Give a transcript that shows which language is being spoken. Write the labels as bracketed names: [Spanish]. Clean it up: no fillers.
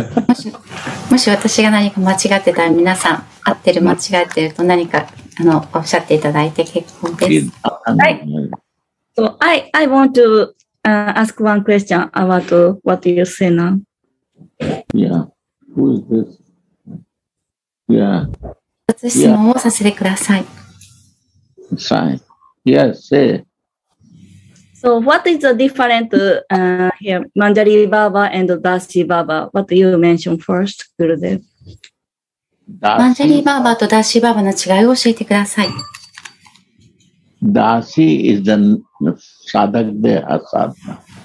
[Japanese] もし、もし私が何か間違ってたら、皆さん、合ってる間違ってると何かあのおっしゃっていただいて結構です。はい。 [English] So, I want to、ask one question about what you say now. Yeah, who is this? Yeah. [Japanese] 質問をさせてください。 [English] さあ、yes, say. So, what is the difference here, Manjari Baba and Dasi Baba? What do you mention first, Gurudev? [Japanese] Manjari Baba と Dasi Baba の違いを教えてください。 [English] Dasi is the sadhakdeha sadhana.